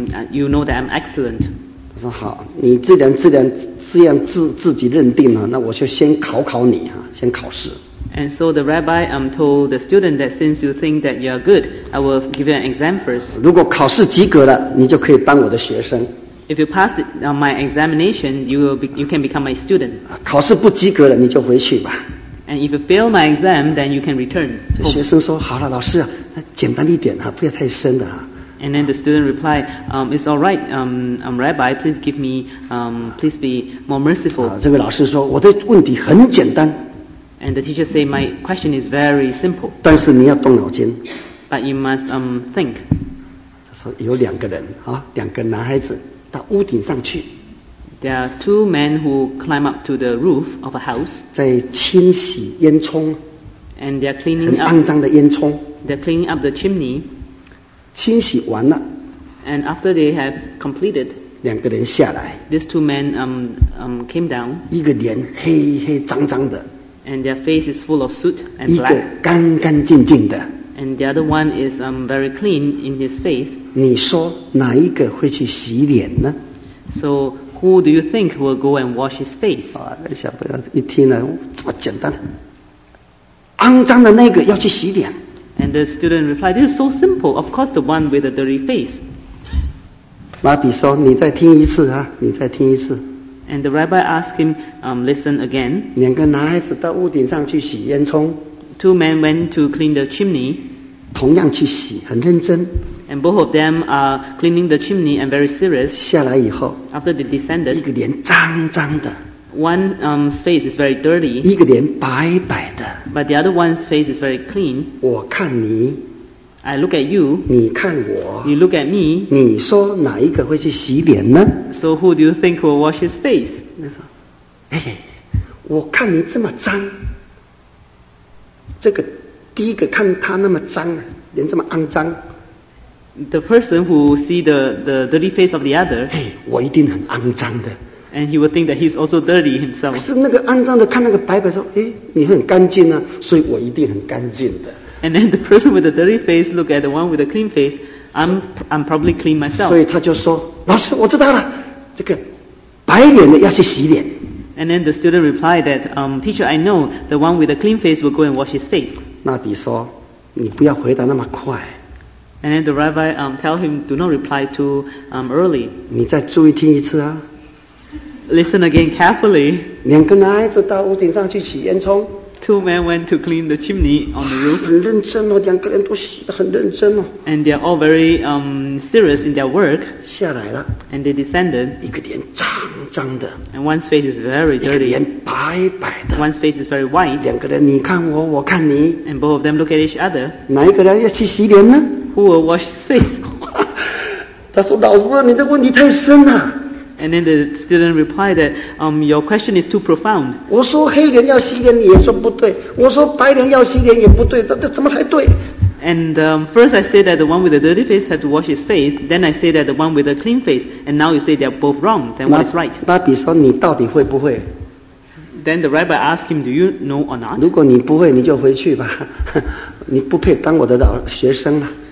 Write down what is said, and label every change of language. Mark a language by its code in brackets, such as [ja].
[en] You know that I'm excellent." [zh] 我说好，你既然自己认定了，那我就先考考你哈，先考试。 [en] And so the rabbi told the student that since you think that you're good, I will give you an exam first. [zh] 如果考试及格了，你就可以当我的学生。 [en] If you pass my examination, you can become my student. [zh] 考试不及格了，你就回去吧。 [en] And if you fail my exam, then you can return. [zh] 学生说好了，老师啊。简单一点啊，不要太深的啊。 [en] And then the student replied, "It's all right, Rabbi. Please give me, please be more merciful." [zh] 这个老师说，我的问题很简单。 [en] And the teacher said, "My question is very simple." [zh] 但是你要动脑筋。 [en] But you must think. [zh] 他说有两个人啊，两个男孩子到屋顶上去。 [en] There are two men who climb up to the roof of a house. [zh] 在清洗烟囱。 [en] And they are cleaning up. [zh] 很肮脏的烟囱。 [en] They're cleaning up the chimney. [zh] 清洗完了。 [en] And after they have completed, [zh] 两个人下来。 [en] These two men came down. [zh] 一个脸黑黑脏脏的。 [en] And their face is full of soot and black. [zh] 一个干干净净的。 [en] And the other one is very clean in his face. [zh] 你说哪一个会去洗脸呢？ [en] So who do you think will go and wash his face? [zh] 小朋友一听了，这么简单。肮脏的那个要去洗脸。 [en] And the student replied, "This is so simple. Of course, the one with a dirty face." [zh] 拉比说：“你再听一次啊，你再听一次。 [en] ”And the rabbi asked him, "Listen again." [zh] 两个男孩子到屋顶上去洗烟囱。 [en] Two men went to clean the chimney. [zh] 同样去洗，很认真。 [en] And both of them are cleaning the chimney and very serious. [zh] 下来以后 [en] ，after they descended, [zh] 一个脸脏脏的。 [en] One face is very dirty. [zh] 一个脸白白的。 [en] But the other one's face is very clean. [zh] 我看你。 [en] I look at you. [zh] 你看我。 [en] You look at me. [zh] 你说哪一个会去洗脸呢？ [en] So who do you think will wash his face? [zh] 他说，我看你这么脏。这个第一个看他那么脏，脸这么肮脏。 [en] The person who see the dirty face of the other. [zh] 我一定很肮脏的。 [en] And he will think that he's also dirty himself. [zh] 可是那个肮脏的看那个白白说，哎，你很干净啊，所以我一定很干净的。 [en] And then the person with the dirty face look at the one with the clean face. I'm probably clean myself. [zh] 所以他就说，老师，我知道了，这个白脸的要去洗脸。 [en] And then the student replied that, teacher, I know the one with the clean face will go and wash his face. [zh] 拉比说，你不要回答那么快。 [en] And then the rabbi tell him do not reply too early. [zh] 你再注意听一次啊。 [en] Listen again carefully. [zh] 两个男孩子到屋顶上去洗烟囱。 [en] Two men went to clean the chimney on the roof. [zh] 很认真哦，两个人都洗得很认真哦。 [en] And they are all very serious in their work. [zh] 下来了。 [en] And they descended. [zh] 一个脸脏脏的。 [en] And one's face is very dirty. [zh] 一个脸白白的。 [en] One's face is very white. [zh] 两个人你看我，我看你。 [en] And both of them look at each other. [zh] 哪一个人要去洗脸呢？ [en] Who will wash his face? [zh] 他说：“老师，你这问题太深了。” [en] And then the student replied that, your question is too profound. [zh] 我说黑人要洗脸，你也说不对。我说白人要洗脸也不对，这怎么才对？ [en] And first I say that the one with the dirty face had to wash his face. Then I say that the one with the clean face. And now you say they are both wrong. Then what is right? [zh] 拉比说你到底会不会？ [en] then the rabbi asked him, do you know or not? [zh] 如果你不会,你就回去吧, 你不配当我的老学生了。